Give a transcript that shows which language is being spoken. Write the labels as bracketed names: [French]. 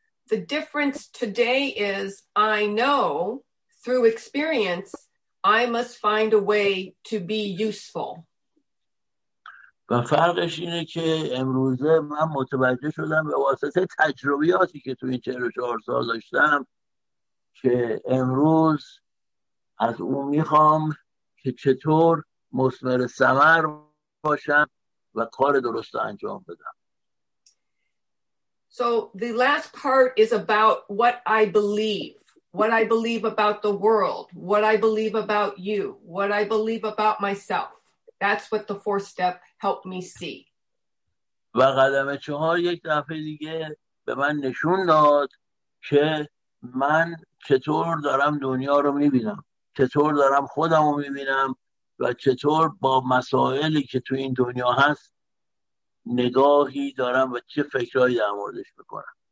[English] The difference today is I know through experience I must find a way to be useful. [Persian] و فرقش اینه که امروزه من متوجه شدم به واسطه تجربیاتی که توی 44 سال داشتم که امروز از اون میخوام که چطور مثمر ثمر باشم و کار درست انجام بدم. [English] So the last part is about what I believe. What I believe about the world. What I believe about you. What I believe about myself. That's what the fourth step helped me see. [Persian] و قدم چهار یک دفعه دیگه به من نشون داد که من چطور دارم دنیا رو میبینم، چطور دارم خودم رو میبینم و چطور با مسائلی که تو این دنیا هست نگاهی دارم و چه فکرهایی در موردش میکنم.